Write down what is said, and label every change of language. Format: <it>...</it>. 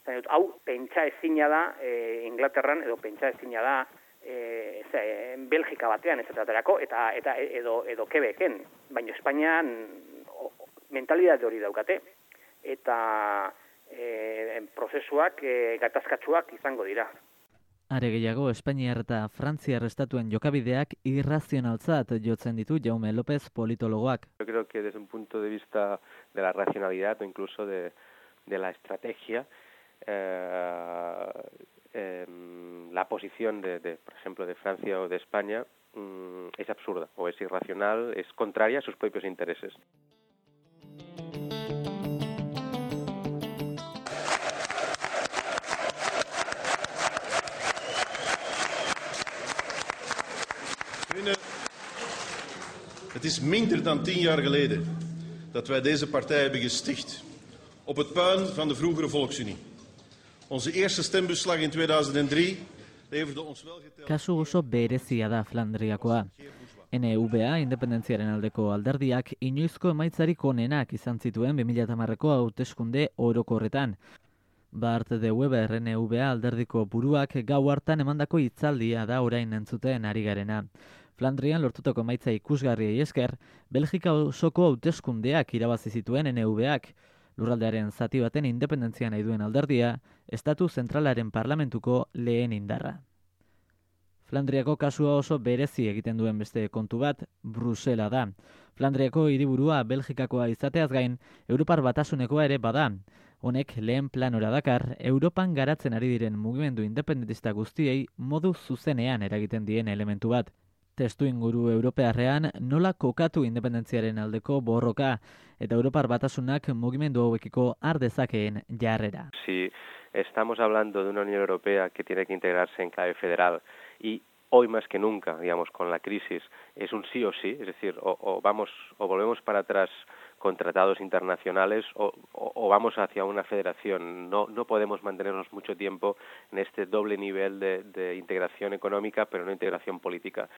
<eu>Hau pentsa ezina da Inglaterran edo pentsa ezina da Belgika batean ezaterako eta edo Quebecen, baina Espainian mentalitate hori daukate eta prozesuak gatazkatsuak izango dira. Are gehiago, Espainiar eta Frantziar estatuen jokabideak irrazionaltzat jotzen ditu Jaume López politologoak.</eu> <es>Yo creo que desde un punto de vista de la racionalidad o incluso de la estrategia la posición de por ejemplo de Francia o de España es absurda o es irracional, es contraria a sus propios intereses.</es> <nl>Het is minder dan 10 jaar geleden dat wij deze partij hebben gesticht op het puin van de vroegere Volksunie. Onze eerste stembusslag in 2003 leverde ons wel geteld.</nl> <eu>Kasu oso berezia da Flandriakoa. NVA independentziaren aldeko alderdiak inoizko emaitzarik onenak izan zituen 2010-ko hauteskunde orokorretan. Bart de Weber NVA alderdiko buruak gau hartan emandako hitzaldia da orain entzuten ari garena. Flandrian lortutako emaitza ikusgarriei esker, Belgika osoko hauteskundeak irabazi zituen NVAk. Lurraldearen zati baten independentzia nahi duen alderdia, Estatu Zentralaren parlamentuko lehen indarra. Flandriako kasua oso berezi egiten duen beste kontu bat, Brusela da. Flandriako hiriburua Belgikakoa izateaz gain, Europar Batasunekoa ere bada. Honek lehen planora dakar, Europan garatzen ari diren mugimendu independentista guztiei modu zuzenean eragiten dien elementu bat. Testu inguru europearrean nola kokatu independentziaren aldeko borroka eta Europar Batasunak mugimendu hauekiko har dezakeen jarrera.</eu> <es>Si estamos hablando de una Unión Europea que tiene que integrarse en clave federal y hoy más que nunca, digamos, con la crisis, es un sí o sí, es decir, o volvemos para atrás con tratados internacionales o vamos hacia una federación. No podemos mantenernos mucho tiempo en este doble nivel de integración económica, pero no integración política.</es>